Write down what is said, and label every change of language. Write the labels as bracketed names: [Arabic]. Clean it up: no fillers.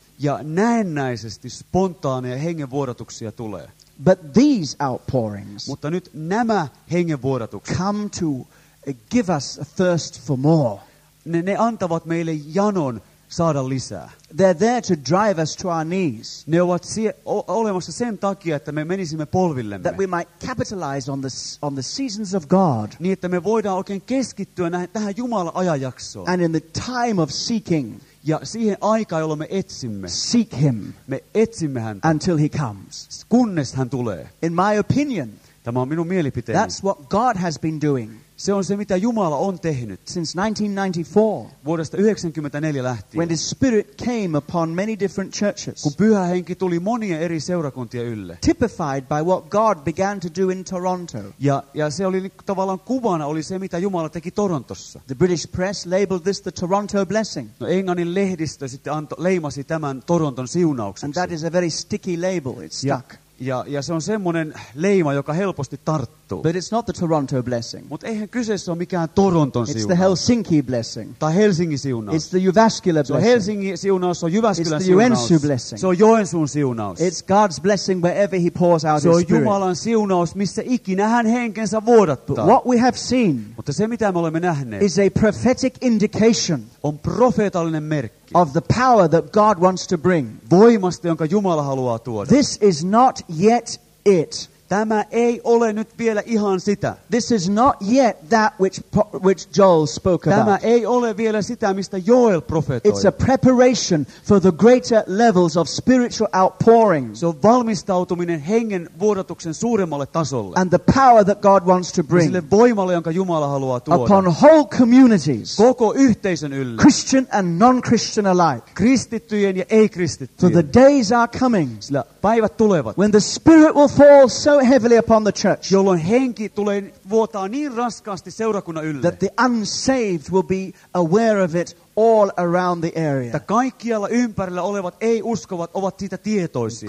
[Finnish] Ja näennäisesti spontaaneja hengenvuodatuksia tulee. [English] But these outpourings, [Finnish] mutta nyt nämä hengenvuodatukset, [English] come to give us a thirst for more. [Finnish] Ne antavat meille janon saada lisää. [English] They're there to drive us to our knees. [Finnish] Ne ovat olemassa sen takia, että me menisimme polvillemme. [English] That we might capitalize on the seasons of God. [Finnish] Niin, että me voidaan oikein keskittyä tähän Jumalan ajanjaksoon. [English] And in the time of seeking. [Finnish] Ja siihen aikaan, jolloin me etsimme. [English] Seek him. [Finnish] Me etsimme häntä. [English] Until he comes. [Finnish] Kunnes hän tulee. [English] In my opinion. [Finnish] Tämä on minun mielipiteeni. [English] That's what God has been doing. [Finnish] Se on se, mitä Jumala on tehnyt. [English] Since 1994. [Finnish] Vuodesta 1994 lähtien. [English] When the Spirit came upon many different churches. [Finnish] Kun Pyhä Henki tuli monien eri seurakuntien ylle. [English] Typified by what God began to do in Toronto. [Finnish] Ja se oli tavallaan kuvana oli se, mitä Jumala teki Torontossa. [English] The British press labeled this the Toronto blessing. [Finnish] No Englannin lehdistö sitten leimasi tämän Toronton siunaukseksi. [English] And that is a very sticky label. It stuck. [Finnish] Ja se on semmoinen leima, joka helposti tarttuu. [English] But it's not the Toronto blessing. [Finnish] Mut eihän kyseessä ole mikään Toronton siunaus. [English] It's the Helsinki blessing. [Finnish] Tai Helsingin siunaus. [English] It's the Jyväskylä blessing. [Finnish] Se on Helsingin siunaus, se on Jyväskylän siunaus. [English] It's the Joensu blessing. [Finnish] Se on Joensuun siunaus. [English] It's God's blessing wherever he pours out his spirit. [Finnish] Se on Jumalan siunaus, missä ikinä hän henkensä vuodattaa. [English] What we have seen. [Finnish] Mutta se mitä me olemme nähneet. [English] Is a prophetic indication. [Finnish] On profeetallinen merkki. [English] Of the power that God wants to bring. [Finnish] Voimasta, jonka Jumala haluaa tuoda. [English] This is not yet it. [Finnish] Tämä ei ole nyt vielä ihan sitä. [English] This is not yet that which Joel spoke [Finnish] Tämä [English] about. [Finnish] Tämä ei ole vielä sitä, mistä Joel profetoi. [English] It's a preparation for the greater levels of spiritual outpouring. [Finnish] Se on valmistautuminen hengen vuodatuksen suuremmalle tasolle. [English] And the power that God wants to bring. [Finnish] Sille voimalle, jonka Jumala haluaa tuoda. [English] Upon whole communities. [Finnish] Koko yhteisön ylle. [English] Christian and non-Christian alike. [Finnish] Kristittyjen ja ei-kristittyjen. [English] For the days are coming. [Finnish] Sillä päivät tulevat. [English] When the Spirit will fall so heavily upon the church, [Finnish] jolloin henki tulee vuotaa niin raskaasti seurakunnan ylle, [English] that the unsaved will be aware of it all around the area. [Finnish] Että kaikkialla ympärillä olevat ei uskovat ovat siitä tietoisia.